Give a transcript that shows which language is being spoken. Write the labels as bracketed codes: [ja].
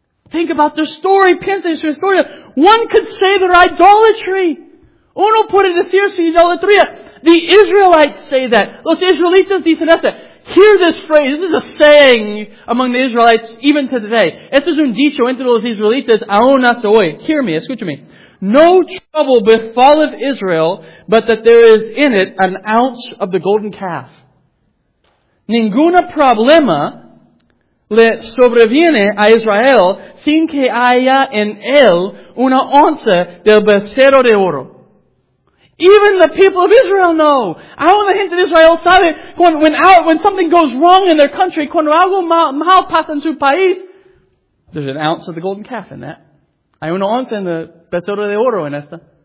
[en] Think about their story. [es] Piensa en su historia. [en] One could say their idolatry. [es] Uno puede decir su idolatría. [en] The Israelites say that. [es] Los israelitas dicen esto. [en] Hear this phrase. This is a saying among the Israelites even to today. [es] Esto es un dicho entre los israelitas aún hasta hoy. [en] Hear me. [es] Escucha me. [en] No trouble befalleth Israel, but that there is in it an ounce of the golden calf. [es] Ninguna problema le sobreviene a Israel sin que haya en él una onza del becerro de oro. [en] Even the people of Israel know. [es] Aún la gente de Israel sabe [en] when something goes wrong in their country, [es] cuando algo mal pasa en su país, [en] there's an ounce of the golden calf in that. [es] Hay una onza en el becerro de oro en esta.